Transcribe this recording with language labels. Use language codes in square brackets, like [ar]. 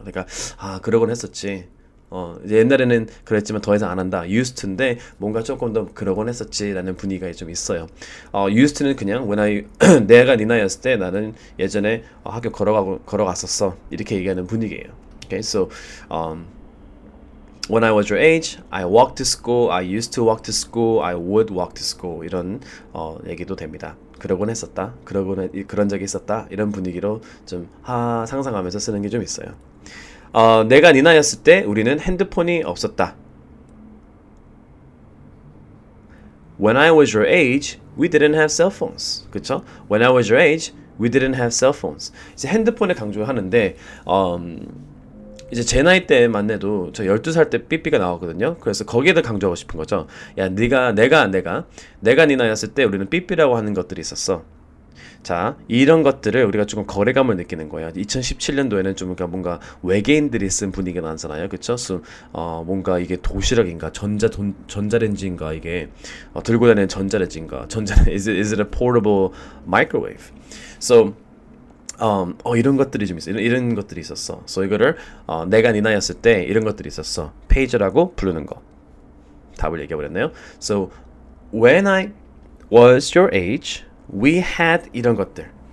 [ko] 그러니까 아, 그러곤 했었지. 이제 옛날에는 그랬지만 더 이상 안 한다. Used인데 뭔가 조금 더 그러곤 했었지라는 분위기가 좀 있어요. Used는 그냥 내가 네 나이였을 때 나는 예전에 학교 걸어갔었어. 이렇게 얘기하는 분위기예요. [en] Okay, so when I was your age, I walked to school. I used to walk to school. I would walk to school. [ko] 이런 얘기도 됩니다. 그러곤 했었다. 그런 적이 있었다. 이런 분위기로 좀 상상하면서 쓰는 게좀 있어요. 내가 네 나이였을 때 우리는 핸드폰이 없었다. [en] When I was your age, we didn't have cell phones. [ko] 그쵸? [en] When I was your age, we didn't have cell phones. [ko] 이제 핸드폰에 강조하는데, 이제 제 나이 때만 해도 저 12살 때 삐삐가 나왔거든요. 그래서 거기에다 강조하고 싶은 거죠. 야, 내가 네 나이였을 때 우리는 삐삐라고 하는 것들이 있었어. 자, 이런 것들을 우리가 조금 거래감을 느끼는 거예요. 2017년도에는 좀 뭔가 외계인들이 쓴 분위기가 나잖아요. 그쵸? 뭔가 이게 도시락인가? 전자레인지인가? 이게 들고 다니는 전자레인지인가? [en] Is it a portable microwave? [ko] So, 이런 것들이 좀 있어요. 이런 것들이 있었어. So, 이거를 내가 네 나이였을 때 이런 것들이 있었어. 페이저라고 부르는 거. 답을 얘기해버렸네요. [en] So, when I was your age, We had [ko] 이런 것들.